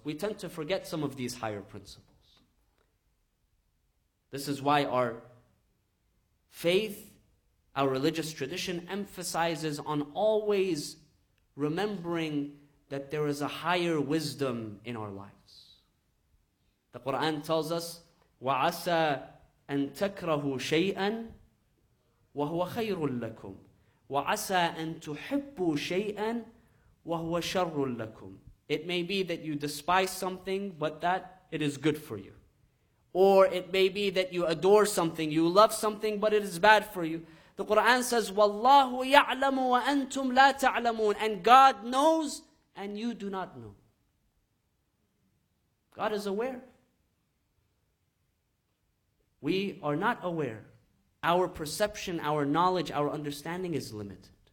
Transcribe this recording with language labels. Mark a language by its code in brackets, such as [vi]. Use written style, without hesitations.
[en] We tend to forget some of these higher principles. This is why our faith, our religious tradition, emphasizes on always remembering that there is a higher wisdom in our lives. The Quran tells us, [ar] وَعَسَىٰ أَن تَكْرَهُ شَيْئًا وَهُوَ خَيْرٌ لَكُمْ وَعَسَىٰ أَن تُحِبُّوا شَيْئًا وَهُوَ شَرٌّ لَكُمْ. [en] It may be that you despise something, but that it is good for you. Or it may be that you adore something, you love something, but it is bad for you. The Quran says, [ar] وَاللَّهُ يَعْلَمُ وَأَنْتُمْ لَا تَعْلَمُونَ. [en] And God knows and you do not know. God is aware. We are not aware. Our perception, our knowledge, our understanding is limited.